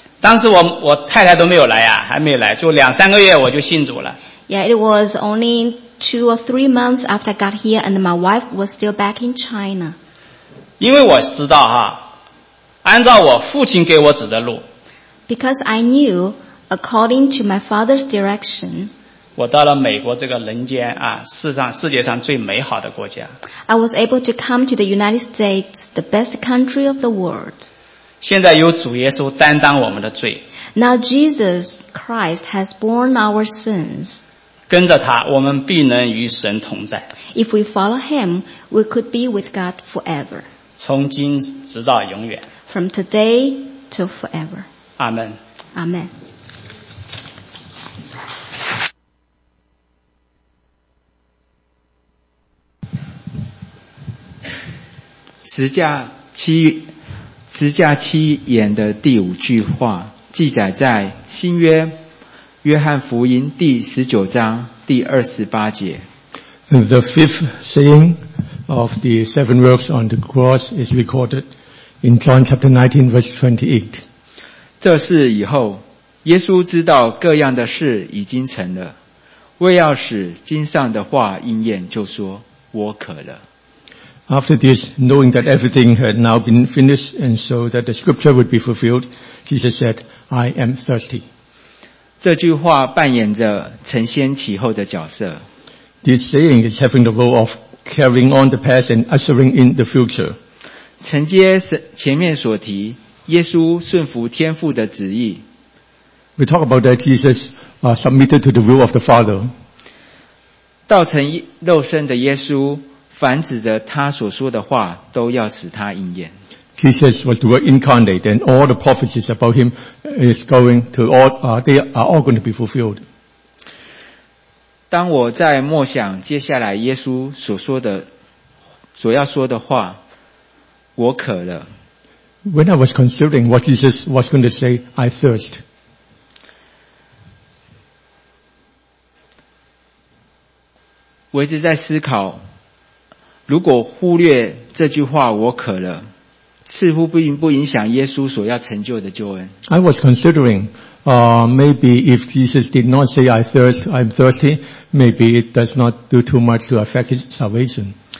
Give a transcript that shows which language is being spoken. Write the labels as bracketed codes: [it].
[zh] 当时我太太都没有来啊，还没来，就两三个月我就信主了。 [en] Yeah, it was only two or three months after I got here, and my wife was still back in China. [zh] 因为我知道哈，按照我父亲给我指的路。 [en] Because I knew, according to my father's direction. [zh] 我到了美国这个人间啊，世界上最美好的国家。 [en] I was able to come to the United States, the best country of the world. [zh] 现在由主耶稣担当我们的罪。 [en] Now Jesus Christ has borne our sins. [zh] 跟着他，我们必能与神同在。 [en] If we follow him, we could be with God forever. [zh] 从今直到永远。 [en] From today to forever. [zh] 阿门。阿门。十架七言的第五句话记载在新约约翰福音第十九章第二十八节。 [en] The fifth saying of the seven words on the cross is recorded in John chapter 19 verse 28. [zh] 这事以后，耶稣知道各样的事已经成了，为要使经上的话应验，就说：“我渴了。” [en] After this, knowing that everything had now been finished and so that the scripture would be fulfilled, Jesus said, I am thirsty. [zh] 这句话扮演着承先启后的角色。 [en] This saying is having the role of carrying on the past and ushering in the future. [zh] 承接前面所提，耶稣顺服天父的旨意。 [en] We talk about that Jesus submitted to the will of the Father. [zh] 道成肉身的耶稣凡指着他所说的话都要使他应验。 [en] Jesus was the word incarnate and all the prophecies about him is going to all, they are all going to be fulfilled. [zh] 当我在默想接下来耶稣所要说的话，我渴了。 [en] When I was considering what Jesus was going to say, I thirst. [zh] 我一直在思考，如果忽略这句话，我渴了。似乎不影响耶稣所要成就的救恩。 [en] I was considering, maybe if Jesus did not say I thirst, I'm thirsty, maybe it does not do too much to affect his salvation.